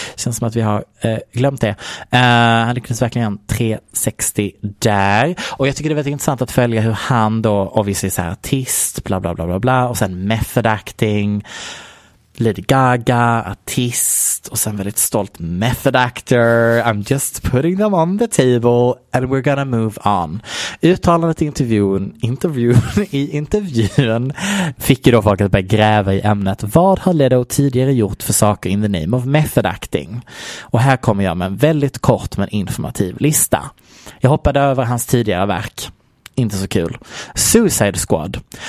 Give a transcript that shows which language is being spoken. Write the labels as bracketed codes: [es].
[sv] Känns som att vi har glömt det. Han lyckades verkligen 360 där. Och jag tycker det är väldigt intressant att följa hur han då obviously är så här artist, bla bla bla bla bla, och sen method acting, Lady Gaga, artist, och sen väldigt stolt method actor. [en] I'm just putting them on the table and we're gonna move on. [sv] Uttalandet i intervjun fick ju då folk att börja gräva i ämnet. Vad har Leto tidigare gjort för saker [en] in the name of method acting? [sv] Och här kommer jag med en väldigt kort men informativ lista. Jag hoppade över hans tidigare verk. Inte så kul. Suicide Squad.